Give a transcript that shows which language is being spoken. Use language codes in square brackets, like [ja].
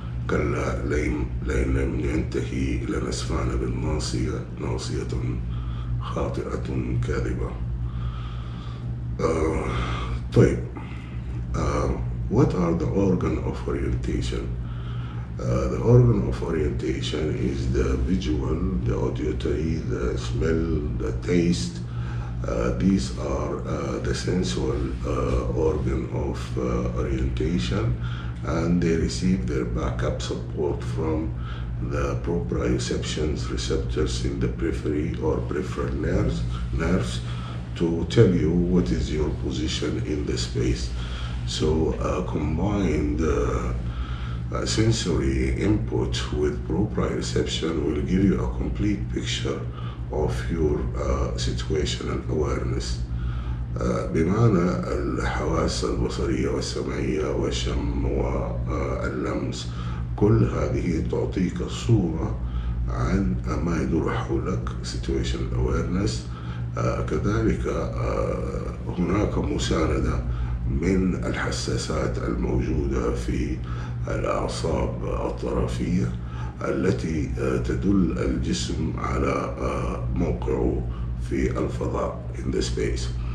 [ar] كلا لين لم ينتهي لنسفان بالناصية, ناصية خاطئة كاذبة. طيب, [en] what are the organ of orientation? The organ of orientation is the visual, the auditory, the smell, the taste. These are the sensual organ of orientation, and they receive their backup support from the proprioception receptors in the periphery or peripheral nerves to tell you what is your position in the space. So combined sensory input with proprioception will give you a complete picture of your situational awareness. [ar] بمعنى الحواس البصرية والسمعية والشم واللمس, كل هذه تعطيك صورة عن ما يدور حولك, [en] situation awareness. [ar] كذلك هناك مساندة من الحساسات الموجودة في الأعصاب الطرفية التي تدل الجسم على موقعه في الفضاء, [en] in the space.